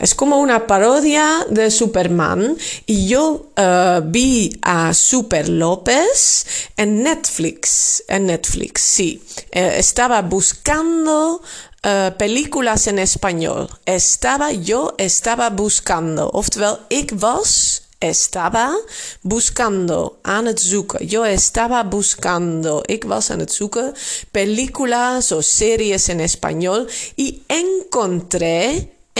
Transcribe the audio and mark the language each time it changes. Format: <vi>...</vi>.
<es>Es como una parodia de Superman. Y yo vi a Super López en Netflix. Sí. Estaba buscando películas en español. Yo estaba buscando.</es> <nl>Oftewel, ik was.</nl> <es>Estaba buscando,</es> <nl>aan het zoeken.</nl> <es>Yo estaba buscando.</es> <nl>Ik was aan het zoeken.</nl> <es>Películas o series en español. Y encontré.</es>